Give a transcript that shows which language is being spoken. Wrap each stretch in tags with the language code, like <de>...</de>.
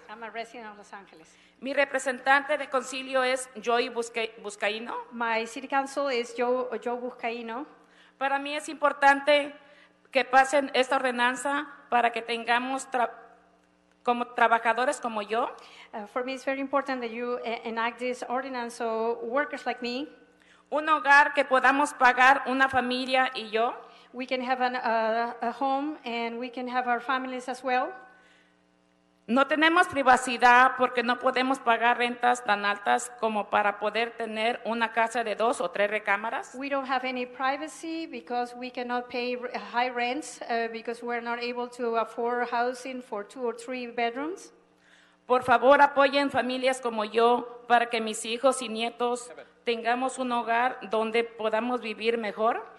<en>I'm a resident of Los Angeles.</en> <es>Mi representante de concilio es Joey Buscaino.</es> <en>My city council is Joe Buscaino.</en> <es>Para mí es importante que pasen esta ordenanza para que tengamos como trabajadores como yo.</es> <en>For me it's very important that you enact this ordinance so workers like me.</en> <es>Un hogar que podamos pagar una familia y yo.</es> <en>We can have a home and we can have our families as well.</en> <es>No tenemos privacidad porque no podemos pagar rentas tan altas como para poder tener una casa de dos o tres recámaras.</es> <en>We don't have any privacy because we cannot pay high rents because we're not able to afford housing for two or three bedrooms.</en> <es>Por favor, apoyen familias como yo para que mis hijos y nietos tengamos un hogar donde podamos vivir mejor.</es>